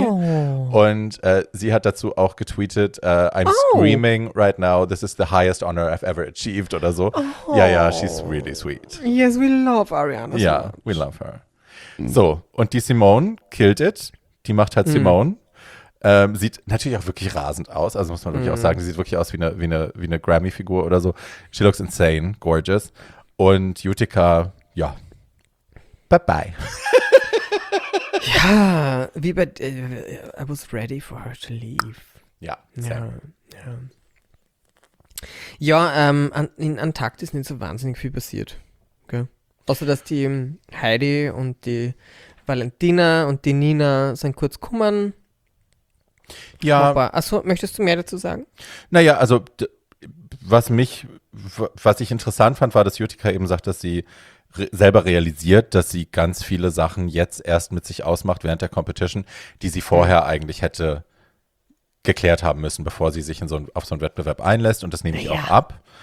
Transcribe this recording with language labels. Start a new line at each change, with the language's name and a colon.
German: Und sie hat dazu auch getweetet,
English: I'm screaming right now, this is the highest honor I've ever achieved
German: oder so.
English: Ja, ja, she's really sweet. Yes, we love Ariana.
German: Ja,
English: we love her.
German: So, und die Simone
English: killed it.
German: Die macht halt Simone. Sieht natürlich auch wirklich rasend aus, also muss man wirklich auch sagen, sie sieht wirklich aus wie eine Grammy-Figur oder so.
English: She looks insane, gorgeous.
German: Und Utica, ja, bye-bye. Ja, wie bei,
English: I was ready for her to leave.
German: Ja, same. Ja, ja. Ja, in Antarktis ist nicht so wahnsinnig viel passiert. Okay. Außer, dass die Heidi und die Valentina und die Nina sind kurz kummern. Ja. Achso, möchtest du mehr dazu sagen? Naja, also was ich interessant fand, war, dass Jutika eben sagt, dass sie selber realisiert, dass sie ganz viele Sachen jetzt erst mit sich ausmacht während der Competition, die sie vorher eigentlich hätte geklärt haben müssen, bevor sie sich auf so einen Wettbewerb einlässt, und das nehme ich auch ab.